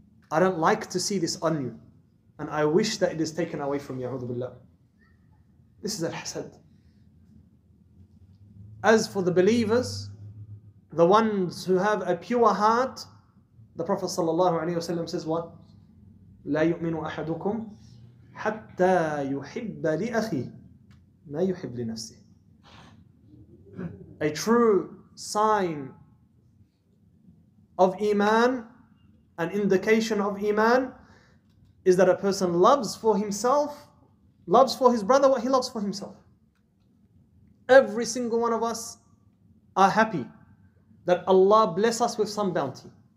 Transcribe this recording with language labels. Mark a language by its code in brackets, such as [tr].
[en] I don't like to see this on you. And I wish that it is taken away from you, a'udhu billah. This is al-hasad. As for the believers, the ones who have a pure heart, the Prophet sallallahu alaihi wasallam says what? [ar] لا يؤمن أحدكم حتى يحب لأخي ما يحب لنفسه. [en] A true sign of iman, an indication of iman, is that a person loves for himself, loves for his brother what he loves for himself. Every single one of us are happy that Allah bless us with some bounty.